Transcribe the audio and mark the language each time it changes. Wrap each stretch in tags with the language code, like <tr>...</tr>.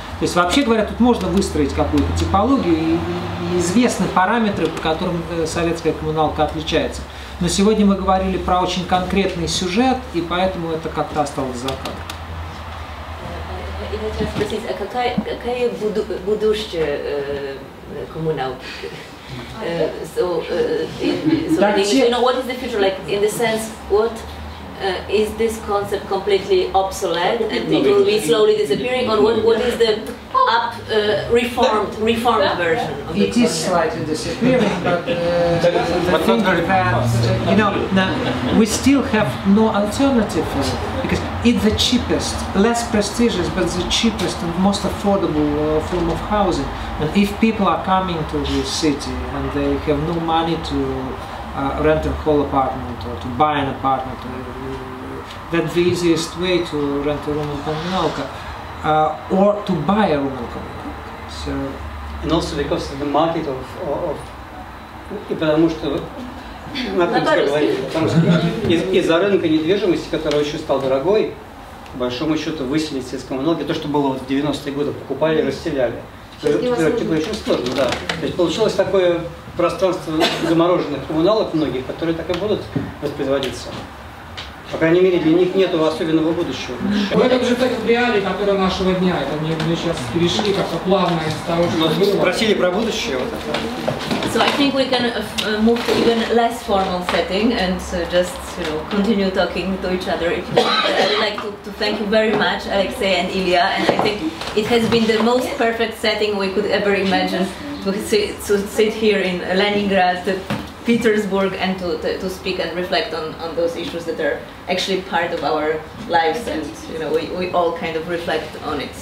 <ru>То есть, вообще говоря, тут можно выстроить какую-то типологию, и известны параметры, по которым советская коммуналка отличается. Но сегодня мы говорили про очень конкретный сюжет, и поэтому это как-то осталось за кадром. Я хотела спросить, а какая будущее коммуналки?</ru> <en>What is the future like? In the sense, what is this concept completely obsolete and it will be slowly disappearing? Or what is the reformed version of the it concept? It is slightly disappearing, but not very fast. You know, now we still have no alternative for it because it's the cheapest, less prestigious, but the cheapest and most affordable form of housing. And if people are coming to this city and they have no money to rent a whole apartment or to buy an apartment, then the easiest way to rent a room in Kominalka or to buy a room in Kominalka. So, and also because of the market of</en> <ru>из-за рынка недвижимости, который еще стал дорогой, по большому счету выселить из коммуналки, то, что было в 90-е годы, покупали, расселяли. Теперь очень сложно, да. То есть получилось такое пространство замороженных коммуналок многих, которые так и будут воспроизводиться. По крайней мере, для них нет особенного будущего. Это уже так в реалии, которое нашего дня. Это мы сейчас перешли как-то плавно из того, что было. Спросили про будущее. Вот.</ru> <en>So I think we can move to even less formal setting and just continue talking to each other. If you want. I'd like to thank you very much, Alexei and Ilya. And I think it has been the most perfect setting we could ever imagine to sit here in Leningrad, to Petersburg, and to speak and reflect on those issues that are actually part of our lives, and we all kind of reflect on it.</en>